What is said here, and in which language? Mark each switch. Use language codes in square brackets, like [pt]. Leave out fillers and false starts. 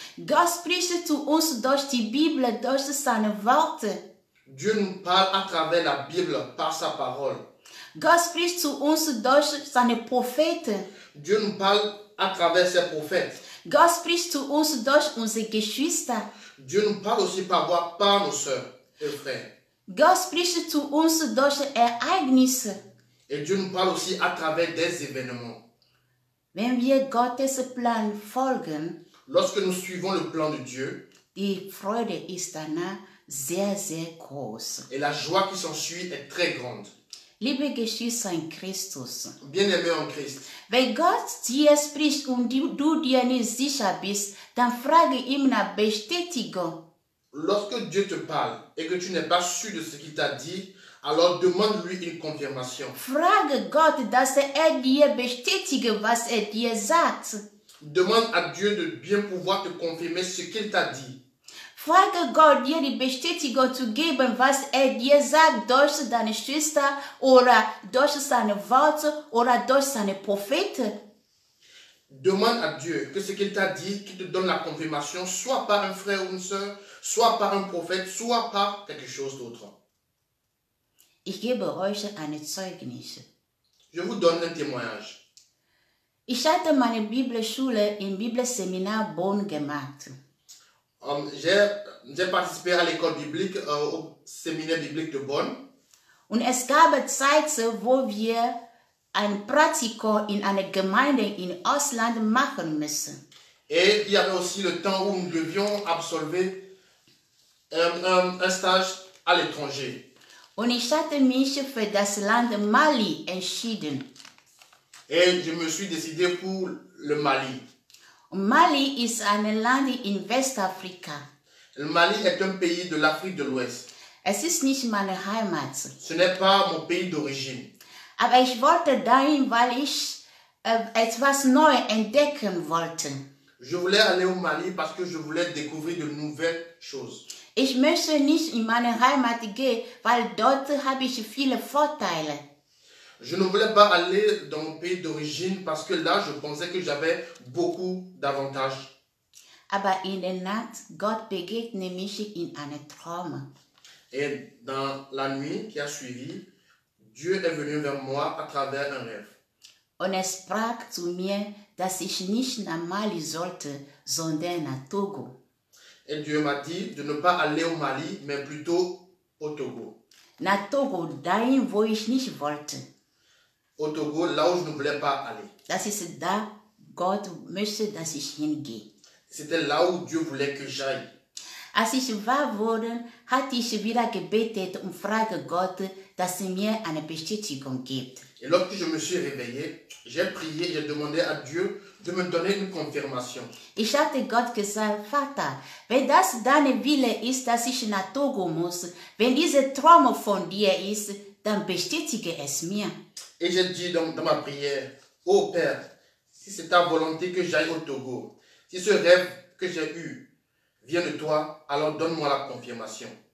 [de] God spricht zu uns durch die Bibel, durch seine Worte. [fr] Dieu nous parle à travers la Bible par sa parole. [de] God spricht zu uns durch seine Propheten. [fr] Dieu nous parle à travers ses prophètes. [de] God spricht zu uns durch unsere Geschwister. [fr] Dieu nous parle aussi par voix par nos sœurs et frères. [de] God spricht zu uns durch Ereignisse. [fr] Et Dieu nous parle aussi à travers des événements. [de] Wenn wir Gottes Plan folgen, [fr] lorsque nous suivons le plan de Dieu, [de] die Freude ist danach sehr, sehr groß. [fr] Et la joie qui s'ensuit est très grande. [de] Liebe Geschwister in Christus. [fr] Bien-aimé en Christ. [de] Wenn Gott dir spricht und du dir nicht sicher bist, dann frage ihm eine Bestätigung. [fr] Lorsque Dieu te parle et que tu n'es pas sûr de ce qu'il t'a dit, alors demande-lui une confirmation. [de] Frage Gott, dass dir bestätige, was dir sagt. [fr] Demande à Dieu de bien pouvoir te confirmer ce qu'il t'a dit. [de] Frage Gott, dir die Bestätigung zu geben, was dir sagt durch deine Schwester oder durch seine Worte oder durch seine Propheten. [fr] Demande à Dieu que ce qu'il t'a dit, qu'il te donne la confirmation, soit par un frère ou une sœur, soit par un prophète, soit par quelque chose d'autre. [de] Ich gebe euch ein Zeugnis. [fr] Je vous donne un témoignage. [de] Ich hatte meine Bibelschule im Bibelseminar Bonn gemacht. [fr] J'ai participé à l'école biblique, au séminaire biblique de Bonn. [de] Und es gab Zeiten, wo wir ein Praktikum in einer Gemeinde in Ausland machen müssen. [fr] Et il y avait aussi le temps où nous devions absolver un stage à l'étranger. [de] Und ich hatte mich für das Land Mali entschieden. [fr] Et je me suis décidé pour le Mali. [de] Mali ist ein Land in Westafrika. [fr] Le Mali est un pays de l'Afrique de l'Ouest. [de] Es ist nicht meine Heimat. [fr] Ce n'est pas mon pays d'origine. [de] Aber ich wollte dahin, weil ich etwas Neues entdecken wollte. [fr] Je voulais aller au Mali parce que je voulais découvrir de nouvelles choses. [de] Ich möchte nicht in meine Heimat gehen, weil dort habe ich viele Vorteile. [fr] Je ne voulais pas aller dans mon pays d'origine parce que là, je pensais que j'avais beaucoup d'avantages. [de] Aber in der Nacht, Gott begegnet mich in einem Traum. [fr] Et dans la nuit qui a suivi, Dieu est venu vers moi à travers un rêve. [de] Und er sprach zu mir, dass ich nicht nach Mali sollte, sondern nach Togo. [fr] Et Dieu m'a dit de ne pas aller au Mali, mais plutôt au Togo. [de] Na Togo, dahin wo ich nicht wollte. [fr] Au Togo, là où je ne voulais pas aller. [de] Das ist da, Gott möchte, dass ich hingehe. [fr] C'était là où Dieu voulait que j'aille. [de] Als ich wahr wurde, hatte ich wieder gebetet und frage Gott, dass er mir eine Bestätigung gibt. [fr] Et lorsque je me suis réveillé, j'ai prié, j'ai demandé à Dieu de me donner une confirmation. [de] Ich hatte Gott gesagt, Vater, wenn das deine Wille ist, dass ich nach Togo muss, wenn dieser Traum von dir ist, dann bestätige es mir. [fr] Et j'ai dit dans ma prière, oh Père, si c'est ta volonté que j'aille au Togo, si ce rêve que j'ai eu vient de toi, alors donne-moi la confirmation.